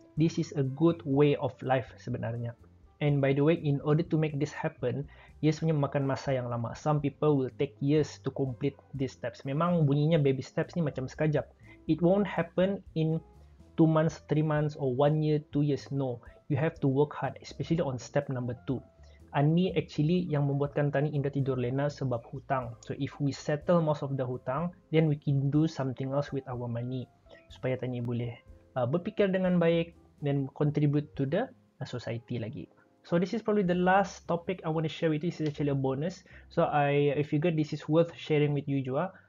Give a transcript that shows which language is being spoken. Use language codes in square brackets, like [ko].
[en] This is a good way of life sebenarnya. And by the way, in order to make this happen, [ms] ia sebenarnya memakan masa yang lama. [en] Some people will take years to complete these steps. [ms] Memang bunyinya baby steps ni macam sekejap. [en] It won't happen in 2 months, 3 months or 1 year, 2 years. No, you have to work hard, especially on step number 2. [ms] Ini actually yang membuatkan Tani indah tidur lena sebab hutang. [en] So if we settle most of the hutang, then we can do something else with our money. [ms] Supaya Tani boleh berfikir dengan baik dan [en] contribute to the society [ms] lagi. [en] So this is probably the last topic I want to share with you. This is actually a bonus. So I figured this is worth sharing with you juga.